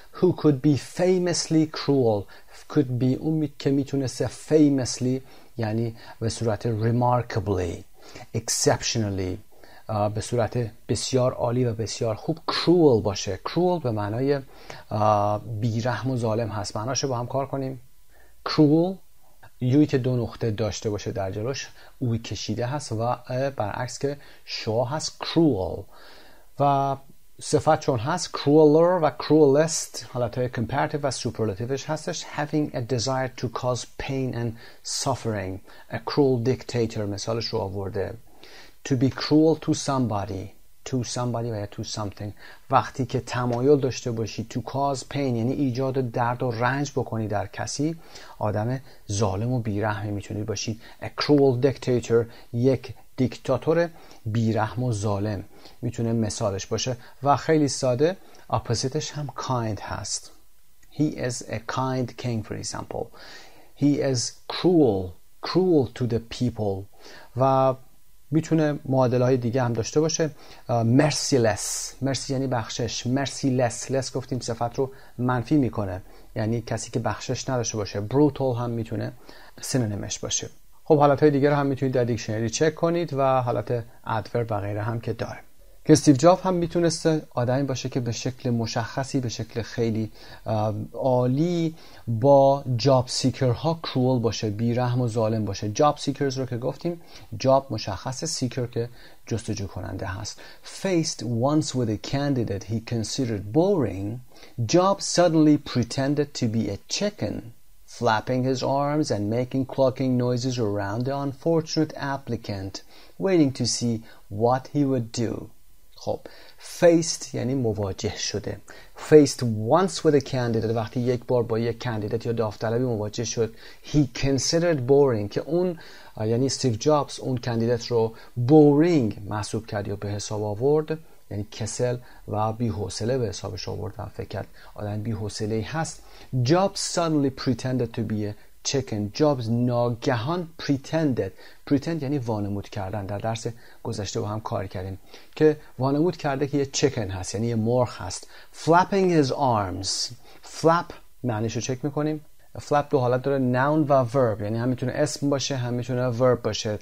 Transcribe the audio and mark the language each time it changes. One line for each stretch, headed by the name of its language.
English: who could be famously cruel،
Persian: could be اون که میتونسته famously یعنی به صورت remarkably، exceptionally به صورت بسیار عالی و بسیار خوب cruel باشه. cruel به معنای بیرحم و ظالم هست. معناشو با هم کار کنیم. cruel یوی که دو نقطه داشته باشه در جلوش، اوی کشیده هست، و برعکس که شو هست cruel. و صفت چون هست crueler و cruelest، حالتهای comparative و superlativeش هستش،
English: having a desire to cause pain and suffering، a cruel dictator
Persian: مثالش رو آورده. to be cruel to somebody، to somebody و یا to something، وقتی که تمایل داشته باشی
English: to cause pain
Persian: یعنی ایجاد درد و رنج بکنی در کسی، آدم ظالم و بیرحمی میتونی باشی.
English: a cruel dictator،
Persian: یک دیکتاتور بیرحم و ظالم میتونه مثالش باشه. و خیلی ساده اپوزیتش هم kind هست.
English: he is a kind king for example. he is cruel، cruel to the people.
Persian: و میتونه معادلهای دیگه هم داشته باشه. merciless، مرسی یعنی بخشش، merciless، less گفتیم صفت رو منفی میکنه، یعنی کسی که بخشش نداشته باشه. brutal هم میتونه سینونیمش باشه. خب حالتهای دیگر هم میتونید در دیکشنری چک کنید و حالت ادورب و غیره هم که داره. که استیو جاب هم میتونسته آدمی باشه که به شکل مشخصی، به شکل خیلی عالی با جاب سیکرها کرول باشه، بیرحم و ظالم باشه. جاب سیکرز رو که گفتیم، جاب مشخصه، سیکر که جستجو کننده هست.
English: faced once with a candidate he considered boring، job suddenly pretended to be a chicken، flapping his arms and making clucking noises around the unfortunate applicant waiting to see what he would do.
Persian: خب faced یعنی مواجه شده.
English: faced once with a candidate،
Persian: وقتی یک بار با یک کاندیدت یا داوطلبی مواجه شد. he considered boring که اون یعنی استیو جابز اون کاندیدت رو boring محسوب کرد یا به حساب آورد، یعنی کسل و بی‌حوصله به حسابش آورد و فکر کرد آدم بی‌حوصله‌ای هست.
English: Jobs suddenly pretended to be a chicken.
Persian: جابز ناگهان pretended، pretend یعنی وانمود کردن، در درس گذشته با هم کار کردیم که وانمود کرده که یه chicken هست، یعنی یه مرغ هست.
English: flapping his arms،
Persian: flap معنیش رو چک می‌کنیم. flap دو حالت داره، noun و verb، یعنی هم میتونه اسم باشه هم میتونه verb باشه.